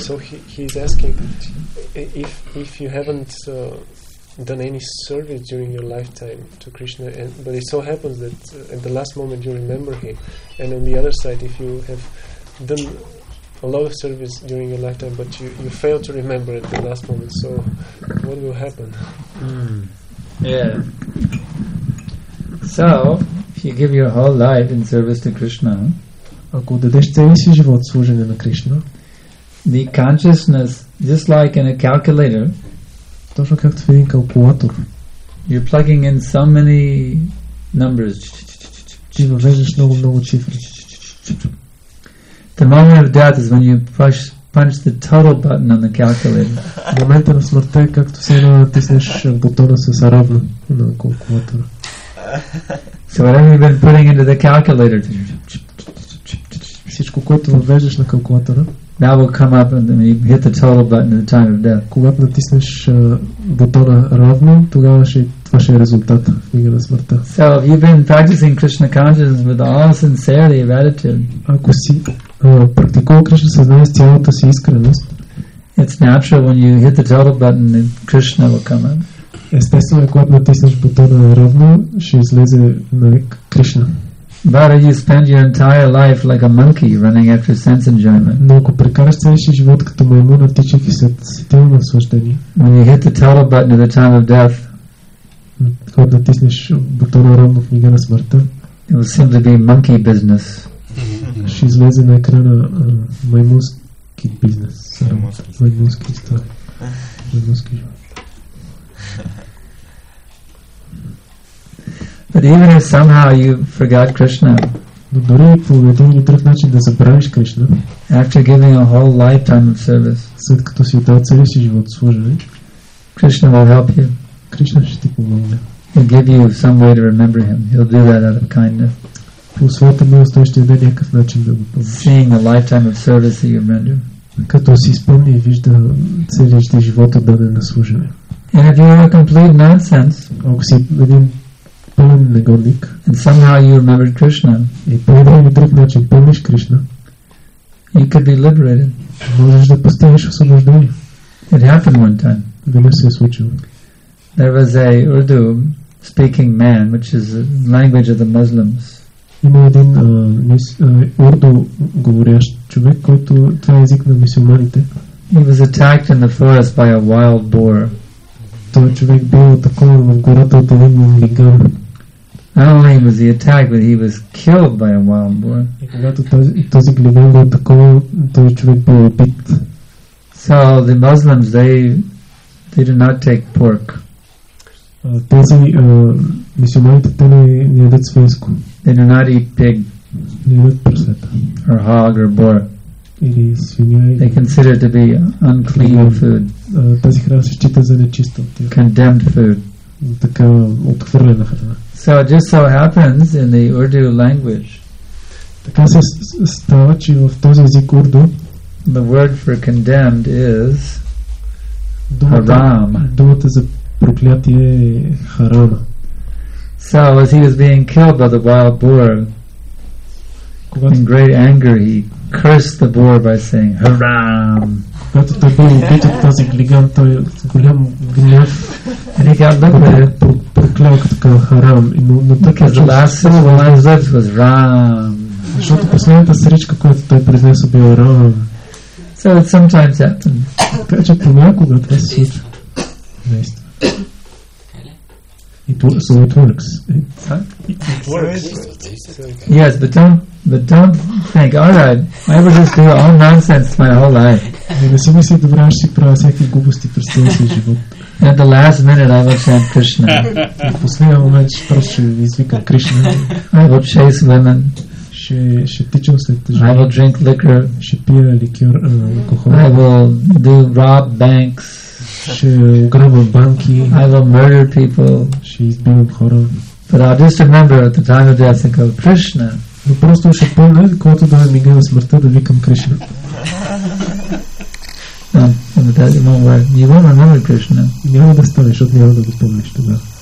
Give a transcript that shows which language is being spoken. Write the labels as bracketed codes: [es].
[en] So he's asking if you haven't done any service during your lifetime to Krishna, but it so happens that at the last moment you remember him, and on the other side, if you have done a lot of service during your lifetime, but you fail to remember at the last moment. So, what will happen? Yeah. So, if you give your whole life in service to Krishna, [bg] ако дадеш целия си живот служене на Кришна, [en] the consciousness, just like in a calculator, [bg] точно както в един калкулатор, [en] you're plugging in so many numbers, [bg] ти въвеждаш много цифри. [en] The moment of death is when you punch the total button on the calculator. [bg] Моментът на смъртта е както си едно да тиснеш бутона с равно на калкулатора. [en] So whatever you've been putting into the calculator, [bg] всичко, което въвеждаш на калкулатора, [en] now will come up and you hit the total button at the time of death. [bg] Когато натиснеш бутона равно, тогава това ще е резултат в мига на смъртта. [en] So if you've been practicing Krishna consciousness with all sincerity of attitude, [bg] ако си практикувал Кришна съзнание с цялата си искреност, [en] it's natural when you hit the total button and Krishna will come up. [bg] Естествено, когато натиснеш бутона равно, ще излезе на Кришна. [en] But you spend your entire life like a monkey running after sense enjoyment. [bg] Но ако прекараш целия си живот като маймуна, тичайки след сетивно наслаждение, [en] when you hit the total button at the time of death, [bg] когато натиснеш бутона равно в мига на смъртта, [en] it will simply be monkey business. [bg] Ще излезе на екрана маймунски бизнес. Маймунски история. Маймунски живот. [en] But even if somehow you forgot Krishna, [bg] но дори по един или друг начин да забравиш Кришна, [en] after giving a whole lifetime of service, [bg] след като си дал целия си живот служене, [en] Krishna will help you. [bg] Кришна ще ти помогне. [en] He'll give you some way to remember him. He'll do that out of kindness. [bg] По своята милост той ще даде някакъв начин да го помогне. [en] Seeing the lifetime of service that you render, [bg] като си спомни и вижда целия си живот даден на служене. [en] And if you're a complete nonsense, [bg] ако си един пълен негодник, [en] and somehow you remember Krishna, [bg] и по един или друг начин помниш Кришна, [en] you could be liberated. [bg] Можеш да постигнеш освобождение. [en] It happened one time. [bg] Веднъж се е случило. [en] There was a Urdu speaking man, which is the language of the Muslims. [bg] Има един урду говорящ човек, който това е език на мюсюлманите. [en] He was attacked in the forest by a wild boar. [bg] Той човек бил атакуван в гората от един лиган. [en] Not only was he attacked, but he was killed by a wild boar. [bg] И когато този лиган бил атакуван, този човек бил убит. [en] So the Muslims, they do not take pork. [bg] Тези мюсюлманите, те не ядат свинско. [en] They do not eat pig or hog or boar. They consider it to be unclean food. [bg] Тази храна се счита за нечиста. [en] Condemned food. [bg] Така отхвърлена храна. [en] So it just so happens in the Urdu language, [bg] така се става, че в този език урду, [en] the word for condemned is haram. [bg] Думата за проклятие е харам. [en] So as he was being killed by the wild boar, in great anger he cursed the boar by saying, "Haram!" And he got liberated. Haram. Because the last syllable on his lips was Ram. [bg] Защото последната сричка, която той произнесе, била рано. [en] So it sometimes happens. [bg] Така че понякога това се случва. Наистина. [en] It works. So it works. It works. Yes, but don't think, all right, I will just do all nonsense my whole life. [bg] Не се мисли добре, аз ще правя всеки глупости през този си живот. [en] At the last minute I will chant Krishna. [bg] И в последния момент просто извикам Кришна. [en] I will chase women. [bg] Ще тичам след жена. [en] I will drink liquor. [bg] Ще пия ликьор, алкохол. [en] I will do rob banks. [bg] Ще ограбвам банки. [en] I will murder people. [bg] Ще избивам хора. [en] But I'll just remember at the time of death and go, Krishna. [bg] Но просто ще помня, когато дойде мига на смъртта, да викам Кришна. [en] No, that won't work. You won't remember Krishna. [bg] Няма да стане, защото няма да го помниш тогава.